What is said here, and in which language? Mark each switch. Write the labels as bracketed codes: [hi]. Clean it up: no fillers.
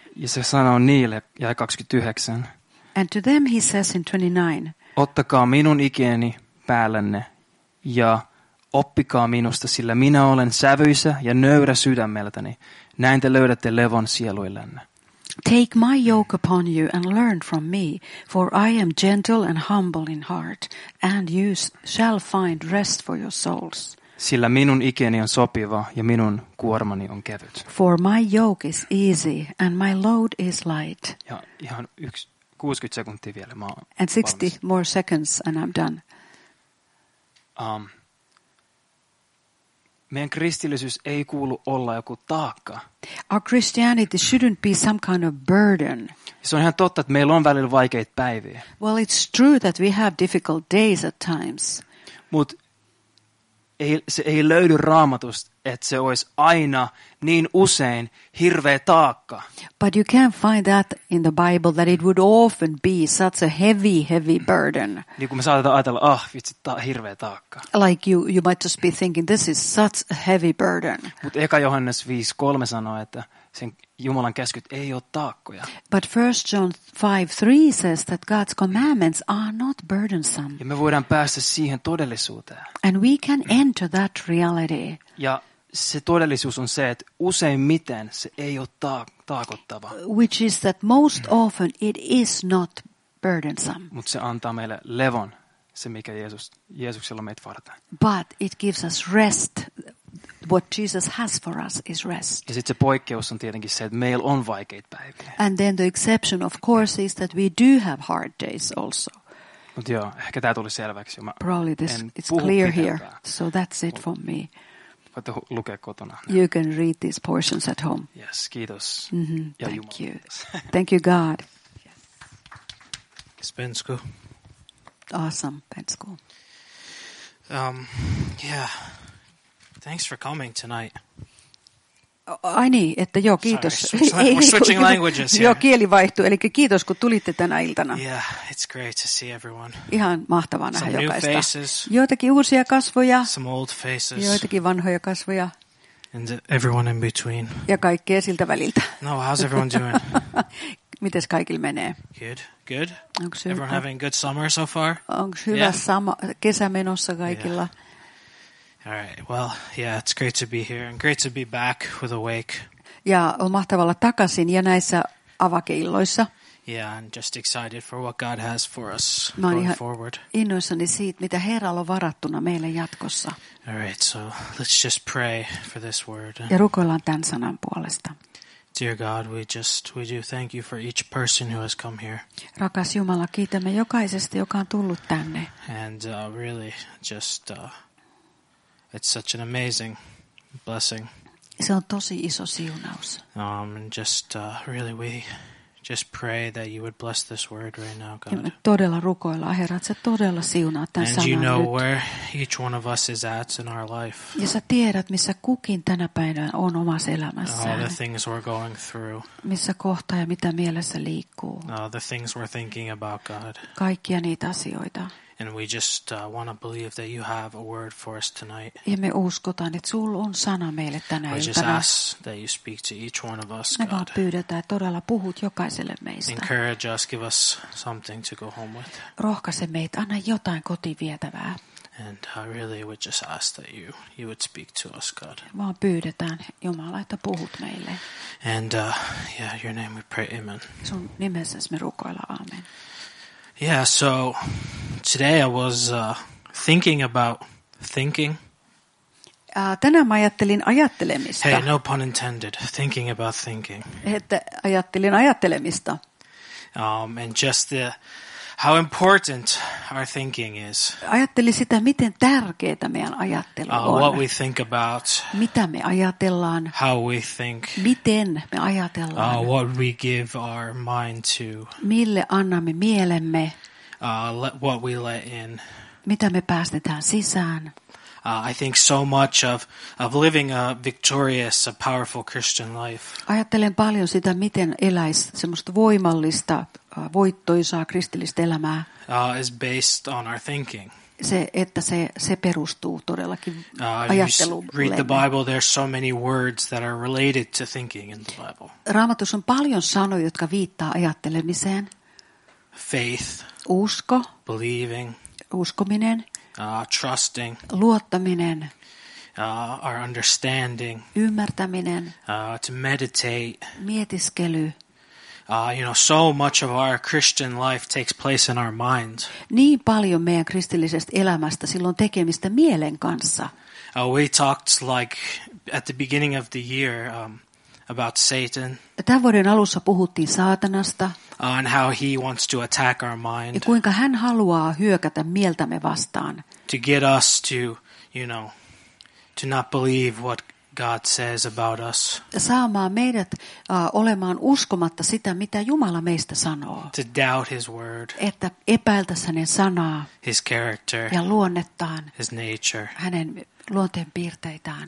[fi] Ja se sanoo niille, ja 29. [en] And to them he says in 29. [fi] Ottakaa minun ikeni päällenne ja oppikaa minusta, sillä minä olen sävyisä ja nöyrä sydämeltäni. Näin te löydätte levon sieluillenne. [en] Take my yoke upon you and learn from me, for I am gentle and humble in heart, and you shall find rest for your souls. [fi] Sillä minun ikeni on sopiva ja minun kuormani on kevyt. [en] For my yoke is easy and my load is light. [fi] Ja ihan 60 sekuntia vielä. Mä oon [en] and 60 [fi] valmis. [en] More seconds and I'm done. [fi] Meidän kristillisyys ei kuulu olla joku taakka. [en] Our Christianity shouldn't be some kind of burden. [fi] Se on ihan totta, että meillä on välillä vaikeita päiviä. [en] Well, it's true that we have difficult days at times. [fi] Mut se ei löydy Raamatusta, että se olisi aina niin usein hirveä taakka. [en] But you can't find that in the Bible that it would often be such a heavy, heavy burden. [fi] Niin kuin me saatetaan ajatella, vitsi, hirveä taakka. [en] Like you might just be thinking, this is such a heavy burden. [fi] Mutta eka Johannes 5:3 sanoo, että sen Jumalan käskyt ei ole taakkoja. [en] But 1 John 5:3 says that God's commandments are not burdensome. [fi] Ja me voidaan päästä siihen todellisuuteen. [en] And we can enter that reality. [fi] Ja se todellisuus on se, että useimmiten se ei ole taakottava. [en] Which is that most often it is not burdensome. [fi] Mut se antaa meille levon, se mikä Jeesuksella meitä varten. [en] But it gives us rest. What Jesus has for us is rest. [fi] Ja sitten se poikkeus on tietenkin se, että meillä on vaikeita päiviä. [en] And then the exception of course is that we do have hard days also. [fi] Mut joo, ehkä tämä tuli selväksi. Mä [en] probably this it's clear here. So that's it for me. [fi] Voitte lukea kotona. [en] You can read these portions at home. [fi] Yes, kiitos. [en] Mm-hmm, ja thank Jumala. You. Thank you, God. Yes. Pensku. Awesome, Pensku. Yeah. Thanks for coming tonight. [fi] Aini, että joo, kiitos. [en] Sorry, we're switching languages here. [fi] Joo, kieli vaihtui, eli kiitos, kun tulitte tänä iltana. [en] Yeah, it's great to see everyone. [fi] Ihan mahtavaa nähdä jokaista. [en] Some new faces. [fi] Joitakin uusia kasvoja. [en] Some old faces. [fi] Joitakin vanhoja kasvoja. [en] And everyone in between. [fi] Ja kaikkea siltä väliltä. [en] No, how's everyone doing? [fi] Mites kaikille menee? [en] Good, good. [fi] Onks hyvä? [en] Everyone having good summer so far? [fi] Onks hyvä sama kesä menossa kaikilla? [en] Yeah. All right. Well, yeah, it's great to be here and great to be back with Awake. [fi] Ja on mahtavaa olla takaisin ja näissä avakeilloissa. [en] Yeah, I'm just excited for what God has for us going forward. [fi] Innoissani siitä, mitä Herralla on varattuna meille jatkossa. [en] All right, so let's just pray for this word. [fi] Ja rukoillaan tämän sanan puolesta. [en] Dear God, we do thank you for each person who has come here. [fi] Rakas Jumala, kiitämme jokaisesta, joka on tullut tänne. [en] And really just it's such an amazing blessing. [fi] Se on tosi iso siunaus. [en] Just really we just pray that you would bless this word right now, God. [fi] Todella rukoilla, Herra, että sä todella siunaat tämän sanan. [en] And you know [fi] nyt. [en] Where each one of us is at in our life. [fi] Ja sä tiedät, missä kukin tänä päivänä on omassa elämässään. [en] All the things we're going through. [fi] Missä kohtaa ja mitä mielessä liikkuu. [en] All the things we're thinking about, God. [fi] Kaikkia niitä asioita. [en] And we just want to believe that you have a word for us tonight. [fi] Ja me uskotaan, että sulla on sana meille tänä iltana. [en] We just ask that you speak to each one of us, God. [fi] Me vaan pyydetään, että todella puhut jokaiselle meistä. [en] Encourage us, give us something to go home with. [fi] Rohkaise meitä, anna jotain kotivietävää. [en] And I really would just ask that you would speak to us, God. [fi] Vaan pyydetään, Jumala, että puhut meille. [en] And your name we pray, amen. [fi] Sun nimessäsi me rukoillaan, aamen. [en] Yeah, so today I was thinking about thinking. [fi] Tänään mä ajattelin ajattelemista. [en] Hey, no pun intended. Thinking about thinking. [fi] Että ajattelin ajattelemista. [en] And just the how important our thinking is. [fi] Ajattelin sitä, miten tärkeää meidän ajattelu on. [en] What we think about. [fi] Mitä me ajatellaan. [en] How we think. [fi] Miten me ajatellaan. [en] What we give our mind to. [fi] Mille annamme mielemme. [en] What we let in. [fi] Mitä me päästetään sisään. [en] I think so much of living a victorious, a powerful Christian life. [fi] Ajattelen paljon sitä, miten eläis semmoista voimallista, voittoisaa kristillistä elämää. [en] Is based on our thinking. [fi] Se, että se perustuu todellakin ajatteluun. [en] Read the Bible, there's so many words that are related to thinking in the Bible. [fi] Raamatussa on paljon sanoja, jotka viittaa ajattelemiseen. [en] Faith. [fi] Usko. [en] Believing. [fi] Uskominen. [en] Trusting. [fi] Luottaminen. [en] Our understanding. [fi] Ymmärtäminen. [en] To meditate. [fi] Mietiskely. [en] So much of our Christian life takes place in our mind. [fi] Niin paljon meidän kristillisestä elämästä silloin tekemistä mielen kanssa. [en] We talked like at the beginning of the year about Satan. [fi] Tämän vuoden alussa puhuttiin saatanasta. [en] And how he wants to attack our mind. [fi] Ja kuinka hän haluaa hyökätä mieltämme vastaan. [en] To get us to, to not believe what God says about us. [fi] Saamaan meidät olemaan uskomatta sitä, mitä Jumala meistä sanoo. [en] To doubt his word. [fi] Että epäiltä hänen sanaa. [en] His character. [fi] Ja luonnettaan. [en] His nature. [fi] Hänen luonteen piirteitään.